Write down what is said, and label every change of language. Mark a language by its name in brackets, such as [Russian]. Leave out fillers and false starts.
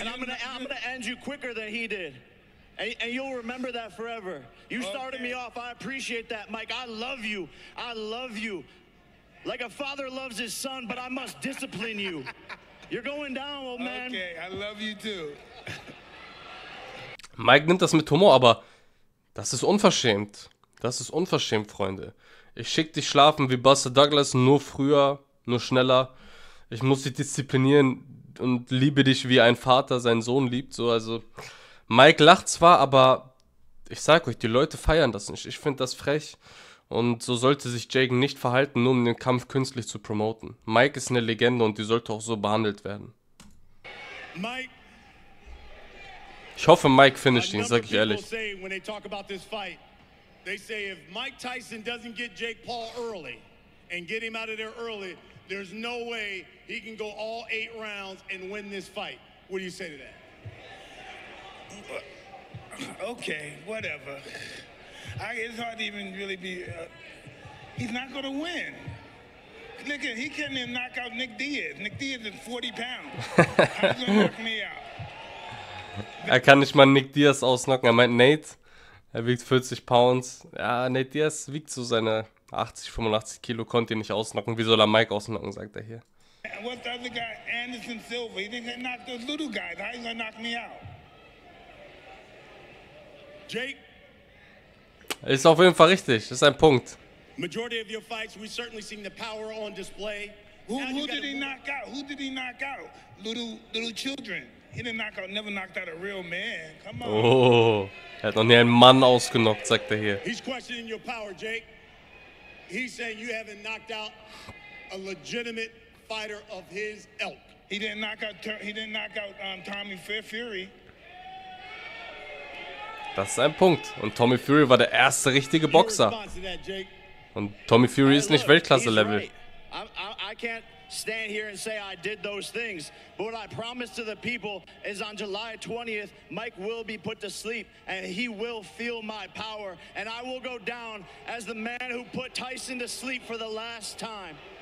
[English] And I'm gonna end you quicker than he did. And you'll remember that forever. You started okay. Me off, I appreciate that, Mike. I love you. I love you. Like a father loves his son, but I must discipline you. You're going down, old man. Okay, I love you too. [German] Mike nimmt das mit Humor, aber das ist unverschämt. Das ist unverschämt, Freunde. Ich schick dich schlafen wie Buster Douglas, nur früher, nur schneller. Ich muss dich disziplinieren und liebe dich wie ein Vater seinen Sohn liebt. So, also Mike lacht zwar, aber ich sag euch, die Leute feiern das nicht. Ich finde das frech. Und so sollte sich Jake nicht verhalten, nur um den Kampf künstlich zu promoten. Mike ist eine Legende und die sollte auch so behandelt werden. Mike. Ich hoffe, Mike finisht ihn, sag ich ehrlich. [English] Say, when they talk about this fight, they say if Mike Tyson doesn't get Jake Paul early and get him out of there early, there's no way he can go all 8 rounds and win this fight. What do you say to that? Okay, whatever. It's hard to even really be. He's not gonna win. Look at, he can't even knock out Nick Diaz. Nick Diaz is 40 pounds. He's gonna knock me out. [German] Er kann nicht mal Nick Diaz ausknocken. Er meint Nate. Er wiegt 40 Pounds. Ja, Nate Diaz wiegt so seine 80, 85 Kilo. Konnte ihn nicht ausknocken. Wie soll er Mike ausknocken, sagt er hier. [English] And what's the other guy? Anderson Silva. He didn't knock those little guys. How are you gonna knock me out? Jake. [German] Ist auf jeden Fall richtig, ist ein Punkt. [English] Majority of your fights, we've certainly seen the power on display. Who did he knock out? Who did he knock out? Little children. He didn't knock out, never knocked out a real man. Come on. [German] Oh, er hat noch nie einen Mann ausgenockt, sagt er hier. [English] He's questioning your power, Jake. He's saying you haven't knocked out a legitimate fighter of his elk. He didn't knock out Tommy Fury. [German] Das ist ein Punkt. Und Tommy Fury war der erste richtige Boxer. Und Tommy Fury ist nicht Weltklasse-Level. [English] I can't stand here and say I did those things. But what I promise to the people is on July 20th, Mike will be put to sleep and he will feel my power. And I will go down as the man who put Tyson to sleep for the last time.